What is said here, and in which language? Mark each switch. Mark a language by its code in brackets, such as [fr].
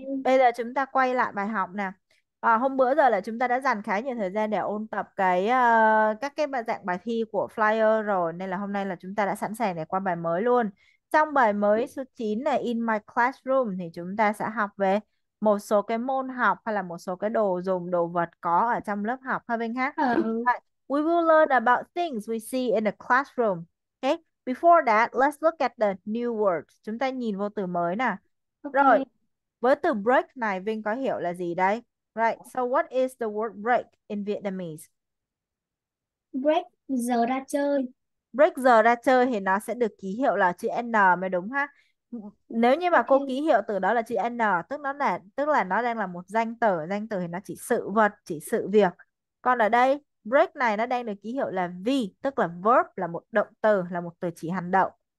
[vi] bây giờ chúng ta quay lại bài học nè. À, hôm bữa giờ là chúng ta đã dành khá nhiều thời gian để ôn tập cái các cái dạng bài thi của flyer rồi, nên là hôm nay là chúng ta đã sẵn sàng để qua bài mới luôn. Trong bài mới số 9 này, In My Classroom, thì chúng ta sẽ học về một số cái môn học hay là một số cái đồ dùng, đồ vật có ở trong lớp học ha Vinh ha. Ừ. [en] Right. We will learn about things we see in the classroom. Okay. Before that, let's look at the new words. [vi] Chúng ta nhìn vô từ mới nè. Rồi, Ok. với từ break này, Vinh có hiểu là gì đây? [en] Right, so what is the word break in Vietnamese? [vi] Break giờ ra chơi. Break giờ ra chơi thì nó sẽ được ký hiệu là chữ N mới đúng ha? Nếu như mà cô Ok. ký hiệu từ đó là chữ N, tức là nó đang là một danh từ thì nó chỉ sự vật, chỉ sự việc. Còn ở đây, break này nó đang được ký hiệu là V, tức là verb, là một động từ, là một từ chỉ hành động.